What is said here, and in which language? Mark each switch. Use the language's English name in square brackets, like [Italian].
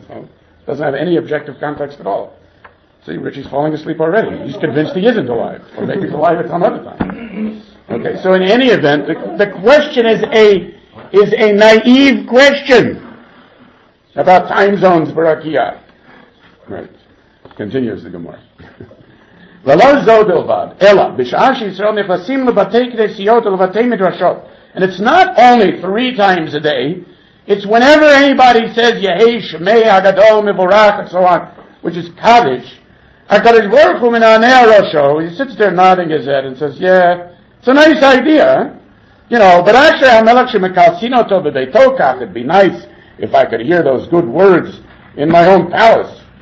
[English] So it doesn't have any objective context at all. See, Richie's falling asleep already. He's convinced he isn't alive. Or maybe he's alive at some other time. Okay, so in any event, the question is a naive question about time zones, Barakiyah. Right. Continues the Gemara. [Hebrew] ולא זו בלבד, אלא בשעה שישראל נכנסים לבתי כנסיות ולבתי מדרשות. [English] And it's not only three times a day, it's whenever anybody says, [Hebrew] יהי שמי הגדול מבורך, [English] and so on, which is Kaddish, [Hebrew] הקדוש ברוך הוא מנענע ראשו, [English] he sits there nodding his head and says, yeah, it's a nice idea, you know, but actually [Hebrew] המלך שמקלסין אותו בביתו כך, [English] it'd be nice if I could hear those good words in my own palace.